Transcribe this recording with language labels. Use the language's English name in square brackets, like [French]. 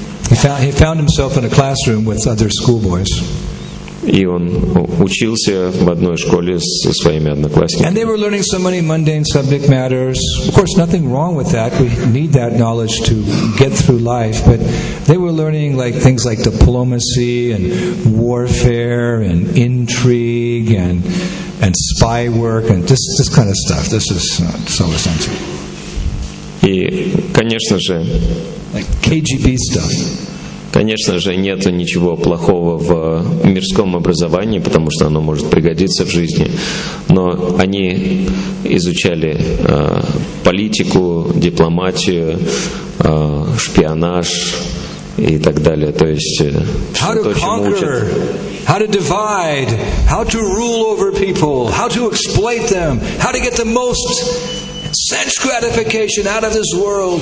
[English] He found himself in a classroom with other schoolboys. [Russian] И он учился в одной школе со своими одноклассниками. [English] And they were learning so many mundane subject matters. Of course, nothing wrong with that. We need that knowledge to get through life. But they were learning like things like diplomacy and warfare and intrigue and spy work and this kind of stuff. This is not so essential. [Russian] И, конечно же, [English] like KGB stuff. [Russian] Конечно же, нет ничего плохого в мирском образовании, потому что оно может пригодиться в жизни. Но они изучали политику, дипломатию, шпионаж и так далее. То есть, [English] how to conquer, [Russian] учат. [English] How to divide, how to rule over people, how to exploit them, how to get the most sense gratification out of this world.